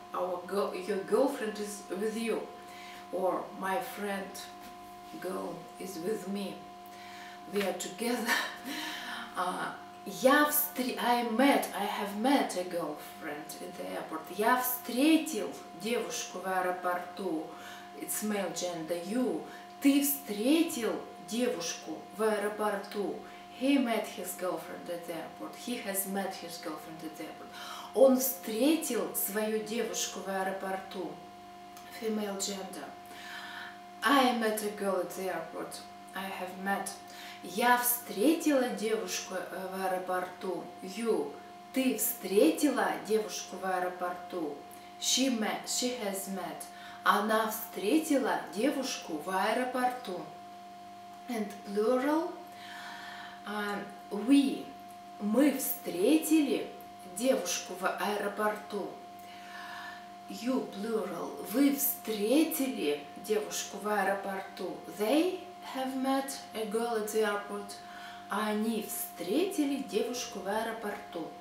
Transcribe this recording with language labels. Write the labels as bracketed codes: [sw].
[en] Your girlfriend is with you, or my friend girl is with me. We are together. I have met a girlfriend in the airport. [ru] Я встретил девушку в аэропорту. [en] It's male gender. You. [ru] Ты встретил девушку в аэропорту. [en] He met his girlfriend at the airport. He has met his girlfriend at the airport. [ru] Он встретил свою девушку в аэропорту. [en] Female gender. I met a girl at the airport. I have met. [ru] Я встретила девушку в аэропорту. [en] You. [ru] Ты встретила девушку в аэропорту. [en] She met. She has met. [ru] Она встретила девушку в аэропорту. [en] And plural. We. [ru] Мы встретили девушку в аэропорту. [en] You plural. [ru] Вы встретили девушку в аэропорту. [en] They have met a girl at the airport. [ru] Они встретили девушку в аэропорту.